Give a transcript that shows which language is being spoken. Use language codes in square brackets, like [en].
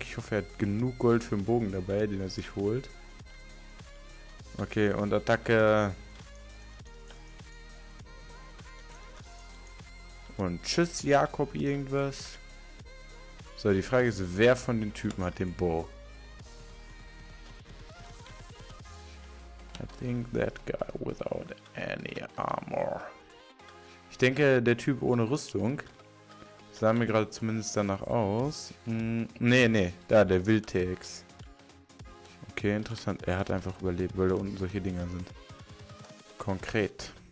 [de] Ich hoffe, er hat genug Gold für den Bogen dabei, den er sich holt. Okay, und Attacke. Und tschüss, Jakob, irgendwas. So, die Frage ist, wer von den Typen hat den Bow? [en] I think that guy without any armor. [de] Ich denke, der Typ ohne Rüstung sah mir gerade zumindest danach aus. Da, der Wildtex. Okay, interessant. Er hat einfach überlebt, weil da unten solche Dinger sind. Konkret.